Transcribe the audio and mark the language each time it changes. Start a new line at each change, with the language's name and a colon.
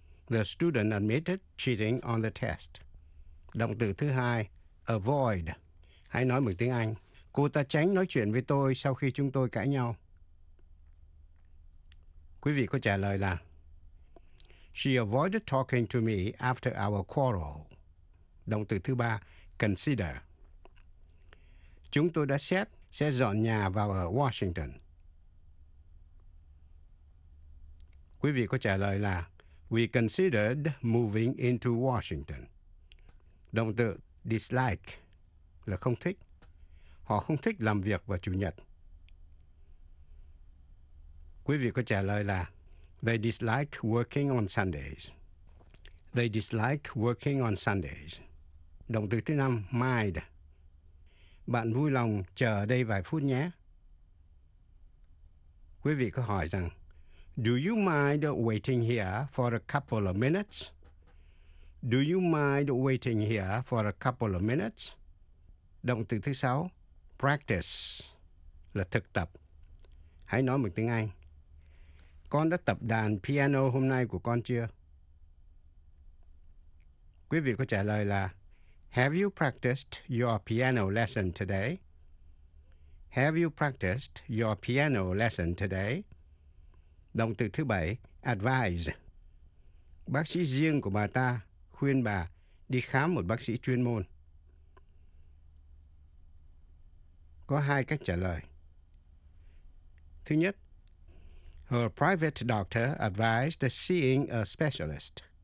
English: The student admitted cheating on the test.
Vietnamese: Động từ thứ hai, avoid. Hãy nói bằng tiếng Anh. Cô ta tránh nói chuyện với tôi sau khi chúng tôi cãi nhau. Quý vị có trả lời là
English: she avoided talking to me after our quarrel.
Vietnamese: Động từ thứ ba, consider. Chúng tôi đã xét sẽ dọn nhà vào ở Washington. Quý vị có trả lời là
English: we considered moving into Washington.
Vietnamese: Động từ dislike là không thích. Họ không thích làm việc vào Chủ nhật. Quý vị có trả lời là
English: they dislike working on Sundays. They dislike working on Sundays.
Vietnamese: Động từ thứ năm, mind. Bạn vui lòng chờ đây vài phút nhé. Quý vị có hỏi rằng
English: do you mind waiting here for a couple of minutes? Do you mind waiting here for a couple of minutes?
Vietnamese: Động từ thứ sáu, practice, là thực tập, hãy nói bằng tiếng Anh. Con đã tập đàn piano hôm nay của con chưa? Quý vị có trả lời là
English: Have you practiced your piano lesson today? Have you practiced your piano lesson today?
Vietnamese: Động từ thứ bảy, advise. Bác sĩ riêng của bà ta khuyên bà đi khám một bác sĩ chuyên môn. Có hai cách trả lời. Thứ nhất,
English: her private doctor advised seeing a specialist.